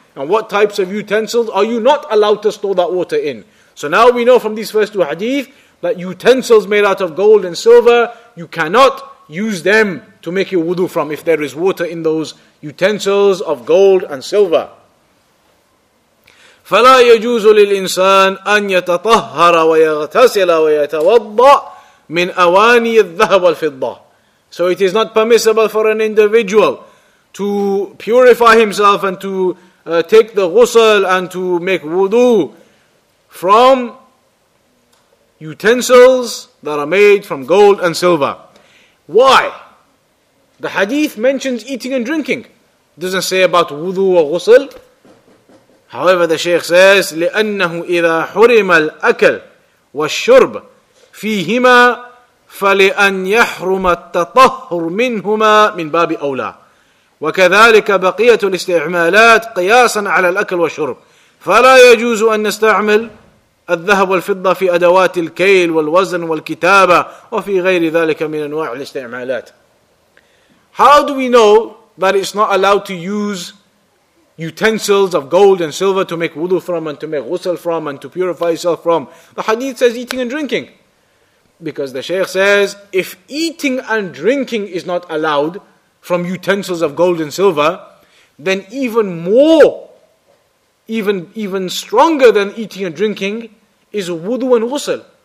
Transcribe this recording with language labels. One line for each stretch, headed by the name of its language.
English: And what types of utensils are you not allowed to store that water in? So now we know from these first two hadith that utensils made out of gold and silver, you cannot use them to make your wudu from if there is water in those utensils of gold and silver.
Arabic: فلا يجوز للإنسان أن يتطهر ويغتسل ويتوضأ من أواني الذهب والفضة.
English: So it is not permissible for an individual to purify himself and to take the ghusl and to make wudu from utensils that are made from gold and silver. Why? The hadith mentions eating and drinking. It doesn't say about wudu or ghusl. However, the Shaykh says,
Arabic: لأنه إذا حرم الأكل والشرب فيهما فلأن يحرم التطهر منهما من باب أولى وكذلك بقية الاستعمالات قياسا على الأكل والشرب فلا يجوز أن نستعمل الذهب والفضة في أدوات الكيل والوزن والكتابة وفي غير ذلك من أنواع الاستعمالات.
English: How do we know that it's not allowed to use utensils of gold and silver to make wudu from and to make ghusl from and to purify yourself from? The hadith says eating and drinking. Because the Shaykh says, if eating and drinking is not allowed from utensils of gold and silver, then even stronger than eating and drinking is wudu and ghusl.